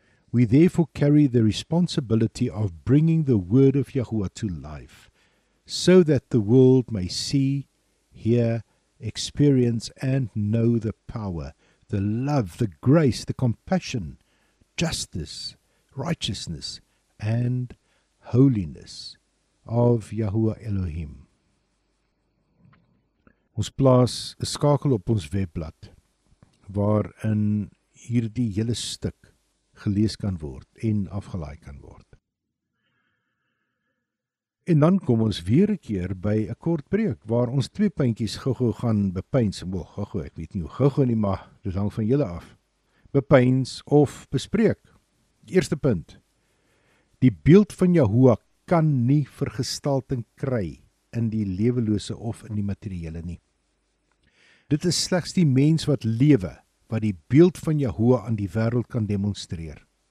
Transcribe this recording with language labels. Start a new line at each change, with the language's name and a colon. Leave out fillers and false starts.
English: We therefore carry the responsibility of bringing the Word of Yahuwah to life, so that the world may see, hear, experience, and know the power, the love, the grace, the compassion, justice, righteousness, and holiness of Yahuwah Elohim.
Afrikaans: Ons plaas 'n skakel op ons webblad waarin hierdie hele stuk gelees kan word en afgelaai kan word. En dan kom ons weer 'n keer by 'n kort breek waar ons twee puntjies gou-gou gaan bepeins. Gou-gou, ek weet nie hoe gou-gou nie, maar dit hang van julle af. Bepeins of bespreek. Eerste punt. Die beeld van Yahuwah kan nie vergestalting kry in die lewelose of in die materiële nie. Dit is slegs die mens wat lewe, wat die beeld van Yahuwah aan die wêreld kan demonstreer.